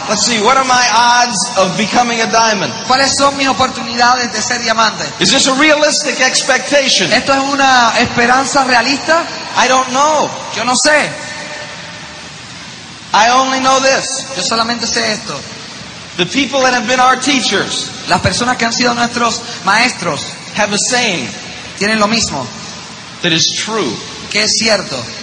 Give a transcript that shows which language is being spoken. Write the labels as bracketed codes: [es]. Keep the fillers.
[en] Let's see, what are my odds of becoming a diamond? [es] ¿cuáles son mis oportunidades de ser diamante? [en] Is this a realistic expectation? [es] ¿esto es una esperanza realista? [en] I don't know. [es] yo no sé [en] I only know this. [es] yo solamente sé esto [en] The people that have been our teachers, [es] las personas que han sido nuestros maestros tienen lo mismo que es cierto